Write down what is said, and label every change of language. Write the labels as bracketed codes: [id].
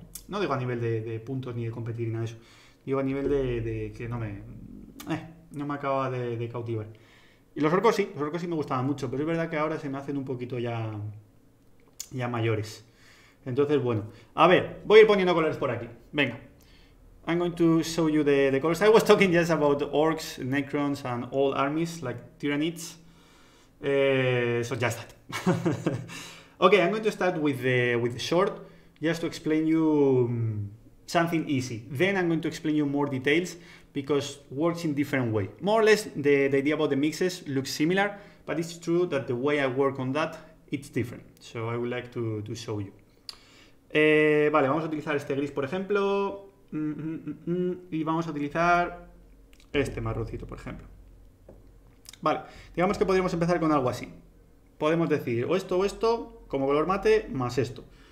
[es] No digo a nivel de puntos ni de competir ni nada de eso. Digo a nivel de que no me acababa de cautivar. Y los orcos sí me gustaban mucho, pero es verdad que ahora se me hacen un poquito ya mayores. Entonces, bueno, a ver, voy a ir poniendo colores por aquí. Venga, [en] I'm going to show you the colors. I was talking just about orcs, necrons, and all armies like tyranids. So just that. Okay, I'm going to start with short, just to explain you something easy. Then I'm going to explain you more details because works in different way. More or less, the idea about the mixes looks similar, but it's true that the way I work on that it's different. So I would like to show you. [es] Vale, vamos a utilizar este gris, por ejemplo. Y vamos a utilizar este marroncito, por ejemplo. Vale, digamos que podríamos empezar con algo así. Podemos decidir o esto, como color mate, más esto.